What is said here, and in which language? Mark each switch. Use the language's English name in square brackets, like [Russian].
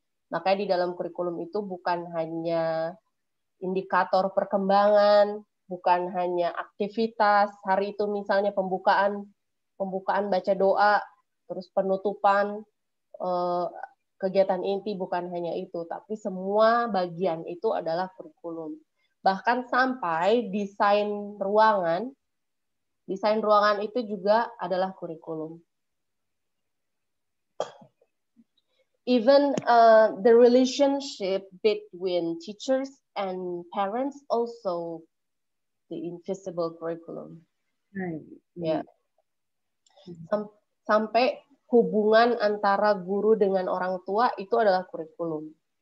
[Indonesian] Makanya di dalam kurikulum itu bukan hanya indikator perkembangan, bukan hanya aktivitas, hari itu misalnya pembukaan, pembukaan baca doa, terus penutupan, kegiatan inti, bukan hanya itu. Tapi semua bagian itu adalah kurikulum. Bahkan sampai desain ruangan itu juga adalah kurikulum. [English] Even the relationship between teachers and parents also the invisible curriculum. Right. Yeah. [Indonesian] Sampai hubungan antara guru dengan orang tua itu adalah curriculum.